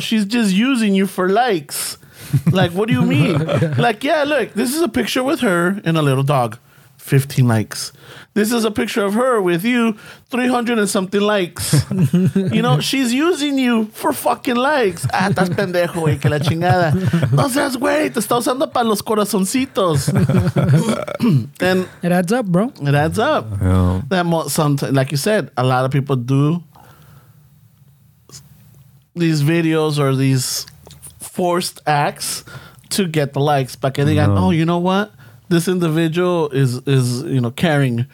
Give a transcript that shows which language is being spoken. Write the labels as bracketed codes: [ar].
[en] She's just using you for likes. Like, what do you mean? Like, yeah, look, this is a picture with her and a little dog. 15 likes. This is a picture of her with you, 300 and something likes. You know, she's using you for fucking likes. [es] Ah, estás pendejo, güey, que la chingada. No seas güey, te está usando para los corazoncitos. [en] And it adds up, bro. It adds up. Yeah. That sometimes, like you said, a lot of people do these videos or these forced acts to get the likes. But they got, oh, you know what? This individual is you know, caring,